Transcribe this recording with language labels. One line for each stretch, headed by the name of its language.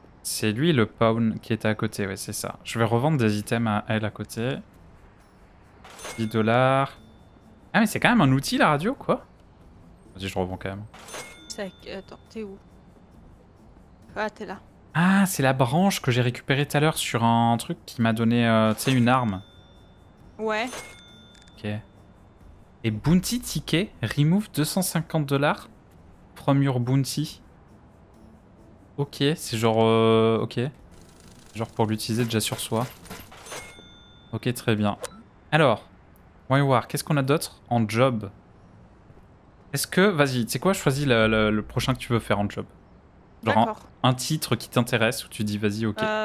French: C'est lui le pawn qui était à côté, ouais, c'est ça. Je vais revendre des items à elle à côté. 10 dollars. Ah, mais c'est quand même un outil, la radio, quoi. Vas-y, je revends quand même. Attends, t'es où? Ah, t'es là. Ah, c'est la branche que j'ai récupérée tout à l'heure sur un truc qui m'a donné, tu sais, une arme. Ouais. Ok.
English: Et bounty ticket, remove 250 dollars from your bounty.
French: Ok, c'est genre... ok. Genre pour l'utiliser déjà sur soi. Ok, très bien. Alors, Wywar, qu'est-ce qu'on a d'autre en job? Est-ce que... Vas-y, tu sais quoi? Choisis le prochain que tu veux faire en job. Genre un titre qui t'intéresse où tu dis vas-y, ok.